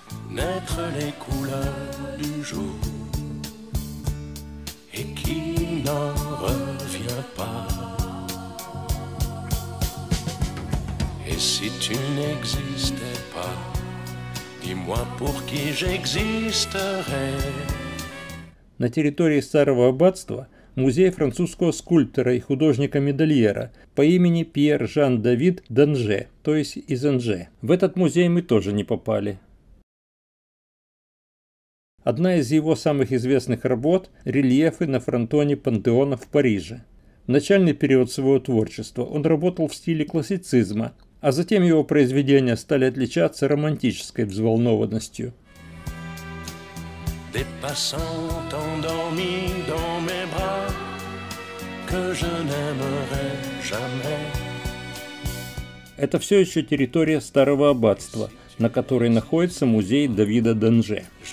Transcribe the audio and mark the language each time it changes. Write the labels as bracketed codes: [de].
[fr] Naître les couleurs du jour et qui n'en revient pas. Et si tu n'existais pas, dis-moi pour qui j'existerais. [ru] На территории старого аббатства музей французского скульптора и художника-медальера по имени Пьер-Жан-Давид Данже, то есть из Анже. В этот музей мы тоже не попали. Одна из его самых известных работ – рельефы на фронтоне Пантеона в Париже. В начальный период своего творчества он работал в стиле классицизма, а затем его произведения стали отличаться романтической взволнованностью. [fr] Des passants endormis dans mes bras, que je n'aimerai jamais. [ru] Это все еще территория старого аббатства, на которой находится музей Давида Данже.